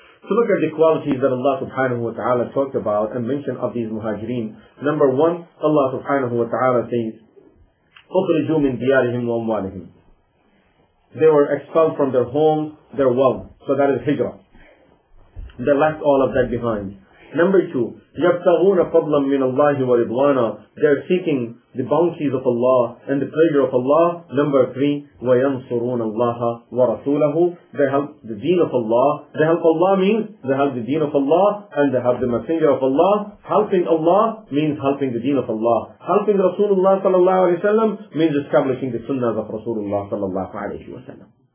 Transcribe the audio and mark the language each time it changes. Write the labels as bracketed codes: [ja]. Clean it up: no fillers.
[en] So look at the qualities that Allah subhanahu wa ta'ala talked about and mentioned of these Muhajireen. Number one, Allah subhanahu wa ta'ala says, [ar] أُخْرِجُوا مِنْ دِيَارِهِمْ وَأَمْوَالِهِمْ. [en] They were expelled from their home, their wealth. So that is hijrah. They left all of that behind. Number two, [ar] يَبْتَغُونَ فَضْلًا مِّنَ اللَّهِ وَرِضْوَانًا. [en] They are seeking the bounties of Allah and the pleasure of Allah. Number three, [ar] وَيَنْصُرُونَ اللَّهَ وَرَسُولَهُ. [en] They help the deen of Allah. They help Allah means they help the deen of Allah and they help the messenger of Allah. Helping Allah means helping the deen of Allah. Helping Rasulullah sallallahu alayhi wa sallam means establishing the sunnah of Rasulullah sallallahu alayhi wa sallam.